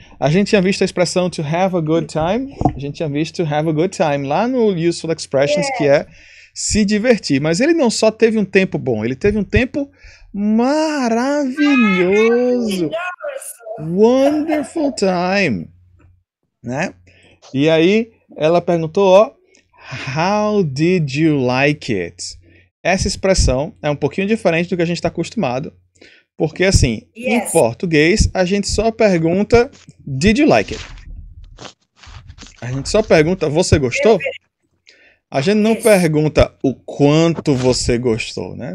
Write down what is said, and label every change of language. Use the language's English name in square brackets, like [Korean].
[Portuguese] A gente tinha visto a expressão [English] to have a good time. [Portuguese] A gente tinha visto to have a good time lá no Useful Expressions, que é se divertir. Mas ele não só teve um tempo bom, ele teve um tempo maravilhoso. [English] Wonderful time. [Portuguese] Né? E aí ela perguntou, ó, [English] how did you like it? [Portuguese] Essa expressão é um pouquinho diferente do que a gente está acostumado. Porque, assim, [English] yes. [Portuguese] em português, a gente só pergunta, [English] did you like it? [Portuguese] A gente só pergunta, você gostou? A gente não pergunta o quanto você gostou, né?